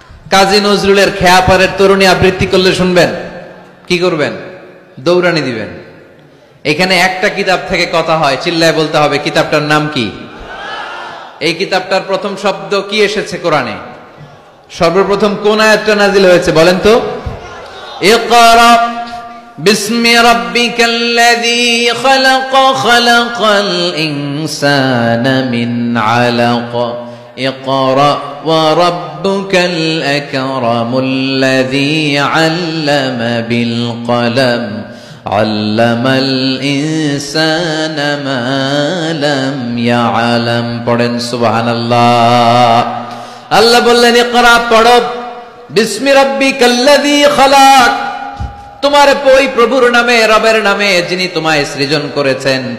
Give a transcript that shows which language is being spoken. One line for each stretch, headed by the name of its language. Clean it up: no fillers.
Bangla: কাজী নজরুলের খেয়াপারের তরুণী আবৃত্তি করলে শুনবেন? কি করবেন? দৌড়ানি দিবেন? এখানে একটা কিতাব থেকে কথা হয়, চিল্লায় বলতে হবে কিতাবটার নাম কি? এই কিতাবটার প্রথম শব্দ কি এসেছে কোরআনে? সর্বপ্রথম কোন আয়াতটা নাজিল হয়েছে বলেন তো? ইকরা,
Arabic: بسم ربك الذي خلق خلق الإنسان من علق اقرأ وربك الأكرم الذي علم بالقلم علم الإنسان ما لم يعلم.
Bangla: পড়েন
Arabic: سبحان الله.
Bangla: আল্লাহ বললেন ইকরা পড়ো
Arabic: بسم ربك الذي خلق
Bangla: তোমার ওই প্রভুর নামে রবের নামে যিনি তোমায় সৃজন করেছেন.